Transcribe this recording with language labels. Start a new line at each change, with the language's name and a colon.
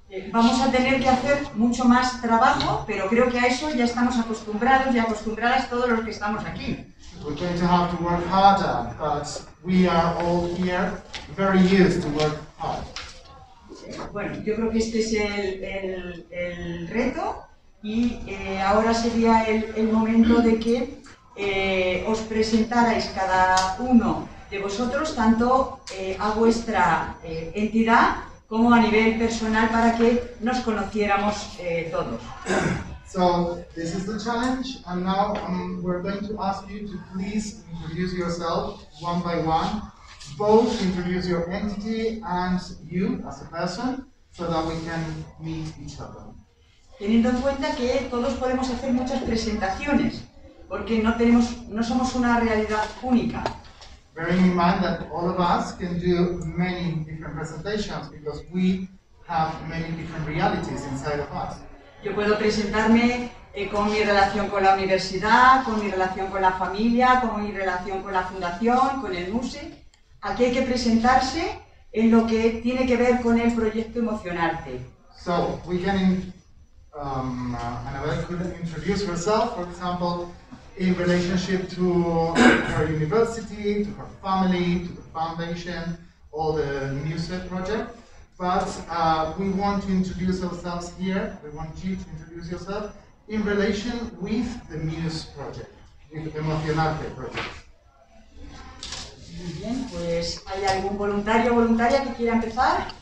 Spanish: Vamos a tener que hacer mucho más trabajo, pero creo que a eso ya estamos acostumbrados y acostumbradas todos los que estamos aquí.
English: We're going to have to work harder, but we are all here very used to work hard.
Spanish: Bueno, yo creo que este es el reto y ahora sería el momento de que os presentarais cada uno de vosotros, tanto a vuestra entidad como a nivel personal, para que nos conociéramos todos.
English: So, this is the challenge, and now we're going to ask you to please introduce yourself one by one, both introduce your entity and you as a person, so that we can meet each other.
Spanish: Teniendo en cuenta que todos podemos hacer muchas presentaciones, porque no tenemos, no somos una realidad única.
English: Bearing in mind that all of us can do many different presentations because we have many different realities inside of us.
Spanish: Yo puedo presentarme con mi relación con la universidad, con mi relación con la familia, con mi relación con la fundación, con el MUSE. Aquí hay que presentarse en lo que tiene que ver con el proyecto Emocionarte.
English: So, we can, Anabel could introduce herself, for example, in relationship to her university, to her family, to the foundation, or the MUSET project. But we want to introduce ourselves here, we want you to introduce yourself, in relation with the MUSET project, with the Emocionarte project.
Spanish: Muy bien, pues, ¿hay algún voluntario o voluntaria que quiera empezar?